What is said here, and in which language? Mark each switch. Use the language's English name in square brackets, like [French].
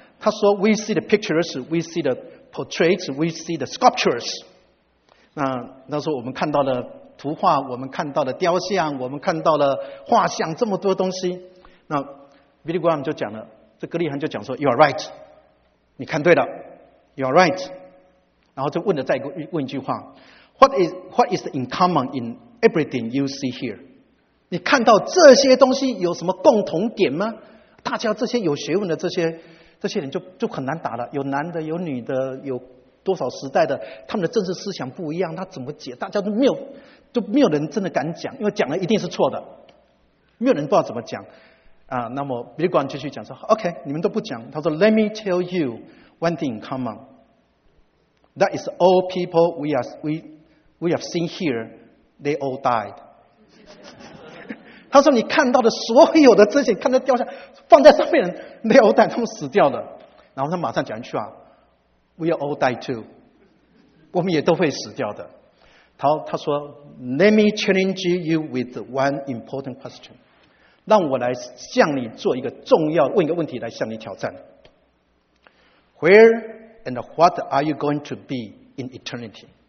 [Chinese] 他说 [English] ：“We see the pictures, we see the portraits, we see the sculptures。” [Chinese] 那他说我们看到了图画，我们看到了雕像，我们看到了画像，这么多东西。那 Billy Graham 就讲了，这格里汉就讲说 ： [English] “You are right， [Chinese] 你看对了。” [English] You are right. [Chinese] 然后就问了再问一句话， [English] What is in common in everything you see here? [Chinese] 你看到这些东西有什么共同点吗？大家这些有学问的这些人就很难打了，有男的有女的，有多少时代的，他们的政治思想不一样，他怎么解？大家都没有，就没有人真的敢讲，因为讲了一定是错的，没有人不知道怎么讲啊。那么 Billy Graham 继续讲说 OK， 你们都不讲，他说 [English] Let me tell youOne thing in common. That is all people we have seen here, they all died. [Chinese] 他说你看到的所有的这些，看到雕像放在上面的人 ， [English] they all died， [Chinese] 他们死掉了。然后他马上讲一句啊 [English] ，We are all die too. [Chinese] 我们也都会死掉的。他说 ， [English] Let me challenge you with one important question. [Chinese] 让我来向你做一个重要问一个问题来向你挑战。 [English] Where and what are you going to be in eternity?